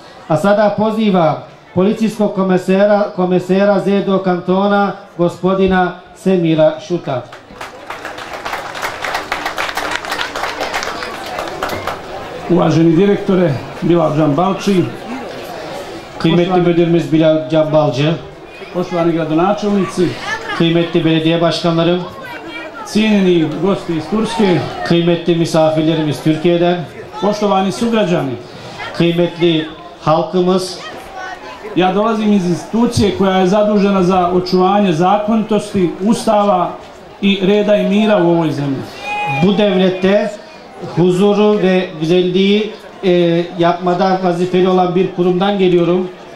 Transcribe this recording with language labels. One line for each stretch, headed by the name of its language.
Bosnian: A sada poziva policijskog komesera ZDO kantona gospodina Semira Šuta. Uvaženi direktore Bilal Džambalči,
Turkish: kıymetli müdürümüz Bilal Džambalci,
Bosnian: poštovani gradonačelnici,
Turkish: kıymetli belediye başkanlarım,
Bosnian: cijenjeni gosti iz Turske,
Turkish: kıymetli misafirlerimiz Türkiye'den,
Bosnian: poštovani sugrađani,
Turkish: kıymetli halkımız,
Bosnian: ja dolazim iz institucije koja je zadužena za očuvanje zakonitosti, ustava i reda i mira u ovoj zemlji.
Turkish: Bu devlette huzuru ve güzelliği yapmada vazifeli olan bir kurumdan geliyorum.